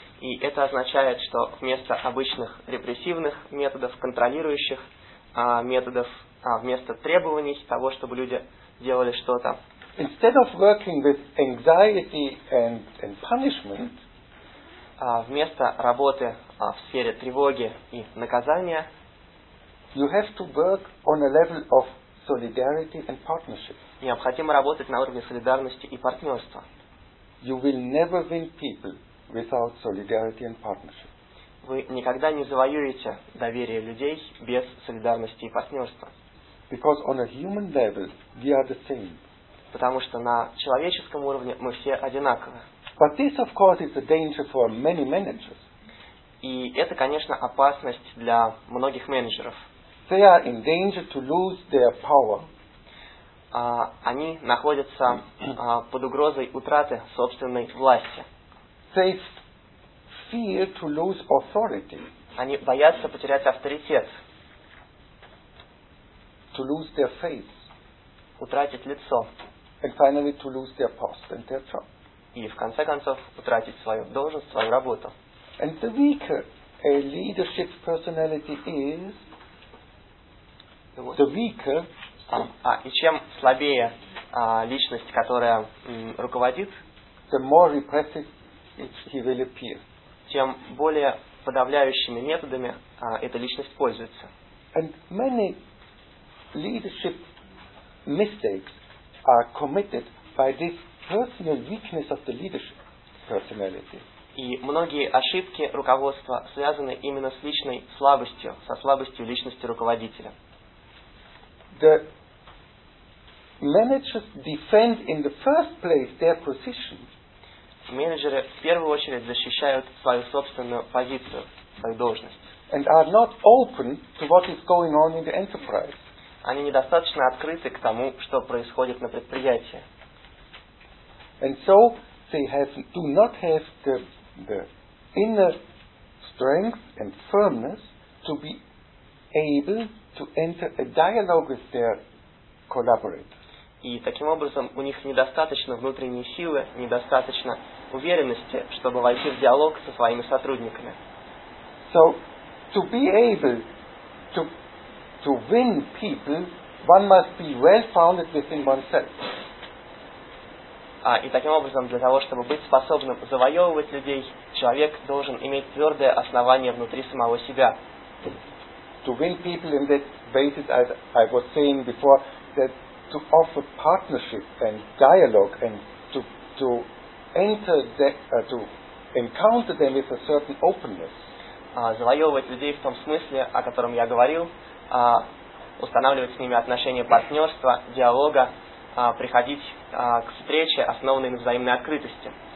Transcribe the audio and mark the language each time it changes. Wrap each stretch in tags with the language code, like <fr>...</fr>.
<ru>и это означает, что вместо обычных репрессивных методов, контролирующих методов, вместо требований того, чтобы люди делали что-то,</ru> <en>instead of working with anxiety and punishment,</en> <ru>вместо работы в сфере тревоги и наказания,</ru> <en>you have to work on a level of solidarity and partnership.</en> <ru>Необходимо работать на уровне солидарности и партнерства.</ru> <en>You will never win people without solidarity and partnership.</en> <ru>Вы никогда не завоюете доверие людей без солидарности и партнерства.</ru> <en>Because on a human level, we are the same.</en> <ru>Потому что на человеческом уровне мы все одинаковы.</ru> <en>But this, of course, is a danger for many managers.</en> <ru>И это, конечно, опасность для многих менеджеров.</ru> <en>They are in danger to lose their power.</en> <ru>Они находятся под угрозой утраты собственной власти.</ru> <en>They fear to lose authority.</en> <ru>Они боятся потерять авторитет.</ru> <en>To lose their faith.</en> <ru>Утратить лицо.</ru> <en>And finally to lose their post and their job.</en> <ru>И в конце концов утратить свою должность, свою работу.</ru> <en>And the weaker a leadership personality is, the weaker.</en> <ru>И чем слабее личность, которая руководит,</ru> <en>the more repressive he will appear.</en> <ru>Тем более подавляющими методами эта личность пользуется.</ru> <en>And many leadership mistakes are committed by this personal weakness of the leadership personality.</en> <ru>И многие ошибки руководства связаны именно с личной слабостью, со слабостью личности руководителя.</ru> <en>The managers defend in the first place their position.</en> <ru>Менеджеры в первую очередь защищают свою собственную позицию, свою должность.</ru> <en>And are not open to what is going on in the enterprise.</en> <ru>Они недостаточно открыты к тому, что происходит на предприятии.</ru> <en>And so they do not have the inner strength and firmness to be able to enter a dialogue with their collaborators.</en> <ru>И таким образом у них недостаточно внутренней силы, недостаточно уверенности, чтобы войти в диалог со своими сотрудниками.</ru> <en>So to be able to win people, one must be well founded within oneself.</en> <ru>И таким образом, для того, чтобы быть способным завоевывать людей, человек должен иметь твердое основание внутри самого себя.</ru> <en>To win people in that basis, as I was saying before, that to offer partnership and dialogue and to enter to encounter them with a certain openness.</en> <ru>Завоевывать людей в том смысле, о котором я говорил, устанавливать с ними отношения партнерства, диалога, приходить к встрече, основанной на взаимной открытости.</ru>